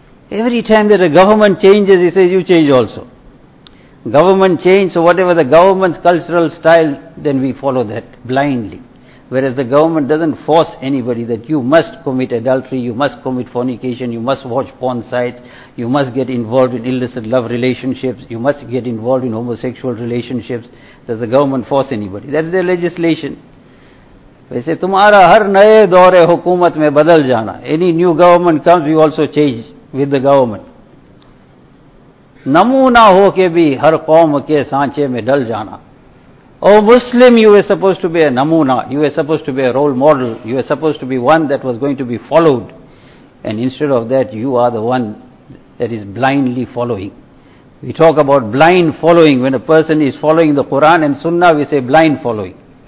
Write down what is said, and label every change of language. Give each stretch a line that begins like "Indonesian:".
English: Every time that a government changes, he says, you change also. Government change, so whatever the government's cultural style, then we follow that blindly. Whereas the government doesn't force anybody that you must commit adultery, you must commit fornication, you must watch porn sites, you must get involved in illicit love relationships, you must get involved in homosexual relationships. Does the government force anybody? That's their legislation.
Urdu: ویسے تمہارا ہر نئے دور حکومت میں بدل جانا.
English: Any new government comes, we also change with the government.
Urdu: نمونہ ہو کے بھی ہر قوم کے سانچے میں ڈل جانا.
English: Oh Muslim, you were supposed to be a namuna, you were supposed to be a role model, you were supposed to be one that was going to be followed, and instead of that you are the one that is blindly following. We talk about blind following. When a person is following the Quran and Sunnah, we say blind following.